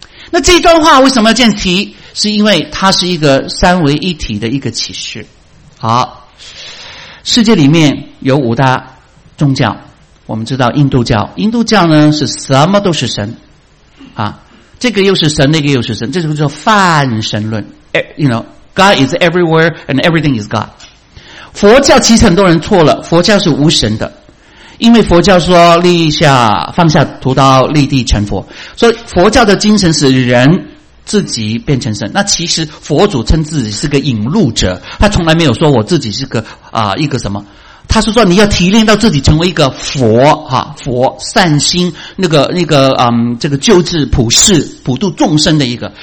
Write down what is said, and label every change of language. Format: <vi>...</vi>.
<zh>那这一段话为什么要这样提？是因为它是一个三位一体的一个启示。好，世界里面有五大宗教，我们知道印度教呢是什么都是神啊，这个又是神，那个又是神，这就叫泛神论。</zh> <en>You know, God is everywhere and everything is God.</en> <zh>佛教其实很多人错了，佛教是无神的，因为佛教说立下放下屠刀立地成佛，所以佛教的精神是人自己变成神。那其实佛祖称自己是个引路者，他从来没有说我自己是个一个什么，他是说你要提炼到自己成为一个佛哈，佛善心，这个救治普世普度众生的一个。</zh>